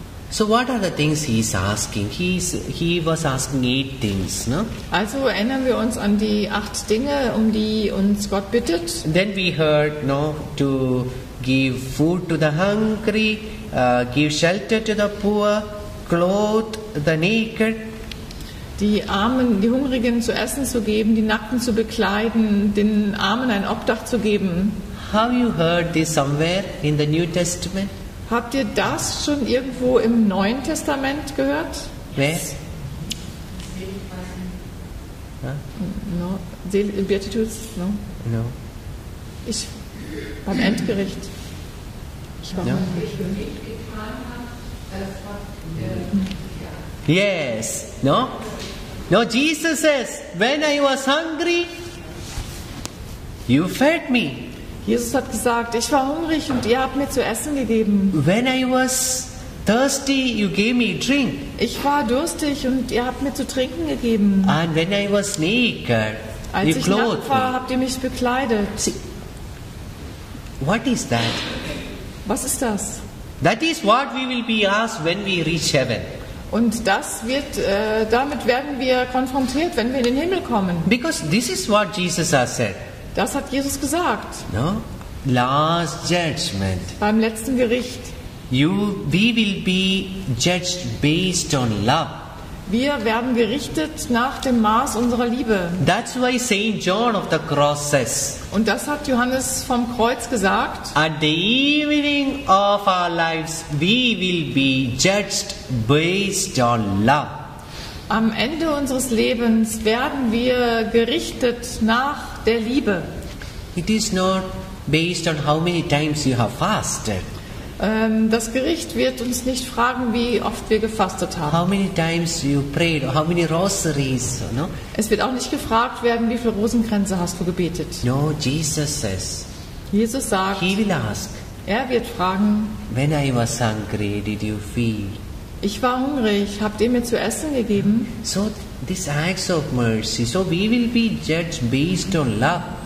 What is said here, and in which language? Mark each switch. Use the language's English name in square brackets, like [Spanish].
[English] So what are the things he is asking? He was asking 8 things, no? [German] Also erinnern wir uns an die 8 Dinge, um die uns Gott bittet. [English] And then we heard, no, to give food to the hungry, give shelter to the poor, clothe the naked. [German] Die Armen, die Hungrigen zu essen zu geben, die Nackten zu bekleiden, den Armen ein Obdach zu geben. [English] Have you heard this somewhere in the New Testament? [German] Habt ihr das schon irgendwo im Neuen Testament gehört? Wer? [English] No. Beatitudes? No. No. [German] Ich beim Endgericht. Ich war nicht getan hat. [English] Yes. No? No, Jesus says, when I was hungry, you fed me. [German] Jesus hat gesagt, ich war hungrig und ihr habt mir zu essen gegeben. [English] When I was thirsty, you gave me drink. [German] Ich war durstig und ihr habt mir zu trinken gegeben. [English] And when I was naked, [German] als [English] you [German] ich [English] clothed [German] nackt war, [English] me. [German] Habt ihr mich bekleidet. [English] See, what is that? [German] Was ist das? [English] That is what we will be asked when we reach heaven. [German] Und das wird, damit werden wir konfrontiert, wenn wir in den Himmel kommen. [English] Because this is what Jesus has said. [German] Das hat Jesus gesagt. [English] No? Last judgment. [German] Beim letzten Gericht. [English] We will be judged based on love. [German] Wir werden gerichtet nach dem Maß unserer Liebe. [English] That's why Saint John of the Cross says. [German] Und das hat Johannes vom Kreuz gesagt. [English] At the evening of our lives, we will be judged based on love. [German] Am Ende unseres Lebens werden wir gerichtet nach der Liebe. [English] It is not based on how many times you have fasted. [German] Das Gericht wird uns nicht fragen, wie oft wir gefastet haben. [English] How many times you prayed, how many rosaries, no? [German] Es wird auch nicht gefragt werden, wie viele Rosenkränze hast du gebetet. [English] No, Jesus says. [German] Jesus sagt. [English] He will ask. [German] Er wird fragen. [English] When I was hungry, did you feed? [German] Ich war hungrig, habt ihr mir zu essen gegeben? [English] So these acts of mercy, so we will be judged based on love.